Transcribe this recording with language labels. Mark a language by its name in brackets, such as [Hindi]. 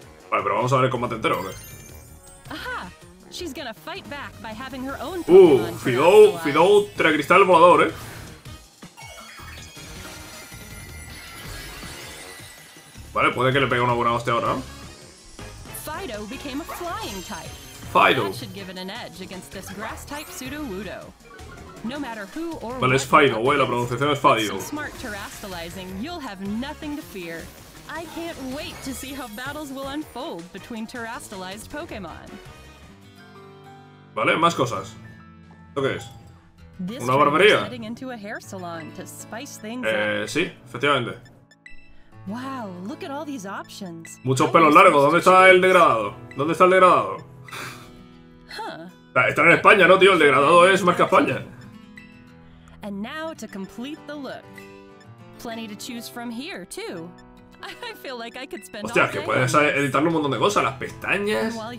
[Spanish] Vale, pero vamos a ver el combate entero, ¿ok? [English] Aha! She's gonna fight back by having her own [Spanish] Fido, Fido, tres cristal volador, eh. Vale, puede que le pegue una buena hostia ahora, ¿no? [English] Fido became a flying type. Fido. That should give it an edge against this grass-type Sudowoodo. No matter who or [Spanish] vale, es Fido. Wait, la pronunciación es Fido. [English] With some smart terrastalizing, you'll have nothing to fear. I can't wait to see how battles will unfold between terrastalized Pokémon. [Spanish] Vale, más cosas. ¿Qué es? [English] This [Spanish] una barbería. [English] Heading into a hair salon to spice things up. [Spanish] Sí, efectivamente. [English] Wow, look at all these options. [Spanish] Muchos pelos largos. ¿Dónde está el degradado? ¿Dónde está el degradado? Huh. Está en España, ¿no, tío? El degradado es más que España. [English] And now to complete the look. Plenty to choose from here, too. [Spanish] Hostia, que puedes editarle un montón de cosas, las pestañas.